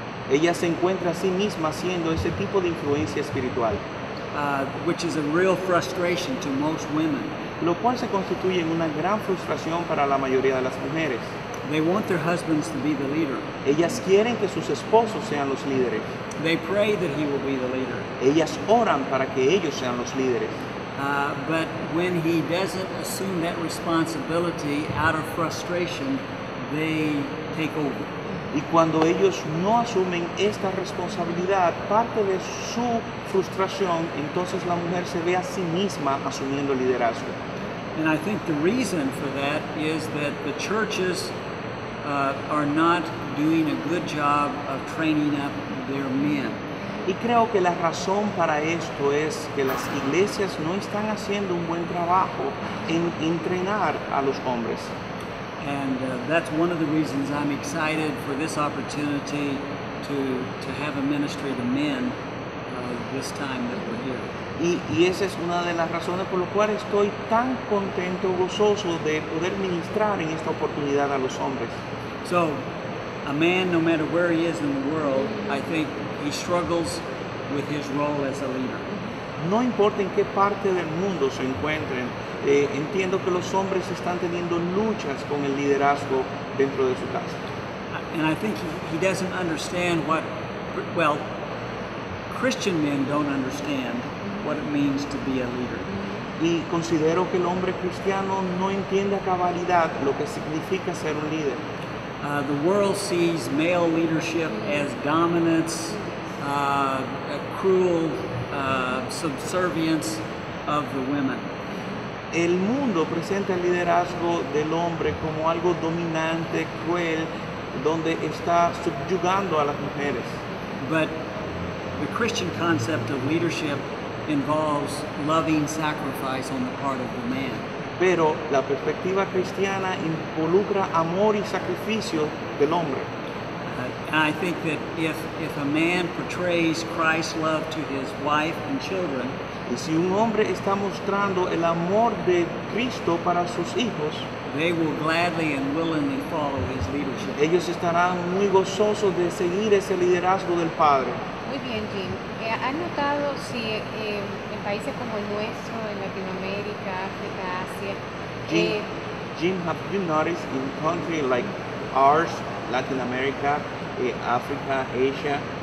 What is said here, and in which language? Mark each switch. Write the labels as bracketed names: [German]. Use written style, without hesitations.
[Spanish] Ella se encuentra a sí misma siendo ese tipo de influencia espiritual. [English] Which is a real frustration to most women. [Spanish] Lo cual se constituye en una gran frustración para la mayoría de las mujeres. [English] They want their husbands to be the leader. [Spanish] Ellas quieren que sus esposos sean los líderes. [English] They pray that he will be the leader. [Spanish] Ellas oran para que ellos sean los líderes. [English] But when he doesn't assume that responsibility out of frustration, they take over. [Spanish] Y cuando ellos no asumen esta responsabilidad, parte de su frustración, entonces la mujer se ve a sí misma asumiendo el liderazgo. [English] And I think the reason for that is that the churches are not doing a good job of training up their men. [Spanish] Y creo que la razón para esto es que las iglesias no están haciendo un buen trabajo en entrenar a los hombres. [English] And that's one of the reasons I'm excited for this opportunity to have a ministry to men this time that we're here. [Spanish] Y esa es una de las razones por lo cual estoy tan contento, gozoso de poder ministrar en esta oportunidad a los hombres. [English] So, a man, no matter where he is in the world, I think he struggles with his role as a leader. [Spanish] No importa en qué parte del mundo se encuentren, entiendo que los hombres están teniendo luchas con el liderazgo dentro de su casa. [English] And I think he doesn't understand what, well, Christian men don't understand what it means to be a leader. [Spanish] y considero que el hombre cristiano no entiende a cabalidad lo que significa ser un líder. [English] The world sees male leadership as dominance, a cruel subservience of the women. [Spanish] El mundo presenta el liderazgo del hombre como algo dominante, cruel, donde está subyugando a las mujeres. [English] But the Christian concept of leadership involves loving sacrifice on the part of the man. [Spanish] Pero la perspectiva cristiana involucra amor y sacrificio del hombre. [English] I think that if a man portrays Christ's love to his wife and children, [Spanish] y si un hombre está mostrando el amor de Cristo para sus hijos, [English] they will gladly and willingly follow his leadership. [Spanish] Ellos estarán muy gozosos de seguir ese liderazgo del padre. Muy bien, Jim. ¿Has notado si en países como el nuestro, en Latinoamérica, África, Asia, [English] Jim, have you noticed in countries like ours, Latin America, Africa, Asia,